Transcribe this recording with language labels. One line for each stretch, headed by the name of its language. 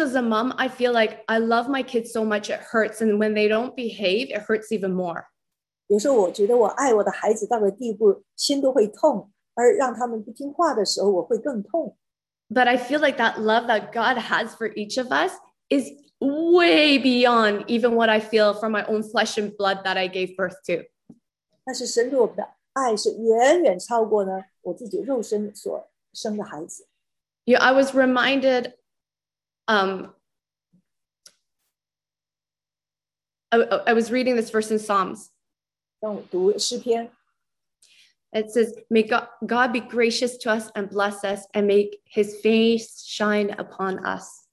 English: as a mom, I feel like I love my kids so much, it hurts, and when they don't behave, it hurts even more.
Chinese: 有时候我觉得我爱我的孩子到了地步,心都会痛,而让他们不听话的时候,我会更痛。
English: But I feel like that love that God has for each of us is way beyond even what I feel from my own flesh and blood that I gave birth to.
Chinese: 但是神对我们的 爱是远远超过呢我自己肉身所生的孩子。
English: Yeah, I was reminded, I was reading this verse in Psalms.
Chinese: 让我读诗篇。
English: It says, may God be gracious to us and bless us and make his face shine upon us.